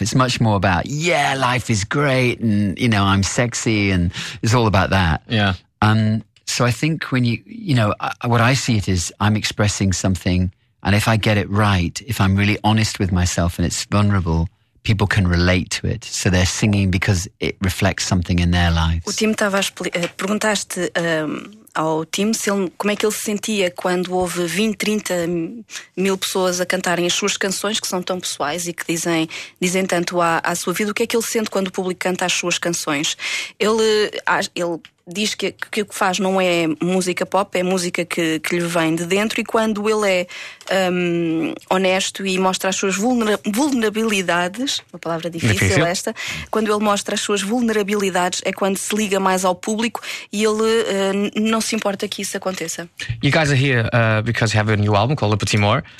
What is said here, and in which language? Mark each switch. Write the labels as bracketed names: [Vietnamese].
[English] It's much more about, yeah, life is great and, you know, I'm sexy and it's all about that. Yeah. So I think when what I see it is I'm expressing something, and if I get it right, if I'm really honest with myself and it's vulnerable, people can relate to it, so they're singing because it reflects something in their lives. [Portuguese] O Tim estava a explicar. Perguntaste ao Tim como é que ele se sentia quando houve 20, 30 mil pessoas a cantarem as suas canções, que são tão pessoais e que dizem tanto à sua vida. O que é que ele sente quando o público canta as suas canções? Ele diz que o que faz não é música pop, é música que lhe vem de dentro, e quando ele é honesto e mostra as suas vulnerabilidades, uma palavra difícil esta, quando ele mostra as suas vulnerabilidades é quando se liga mais ao público, e ele não se importa que isso aconteça. [English] You guys are here because you have a new album called Le Petit More.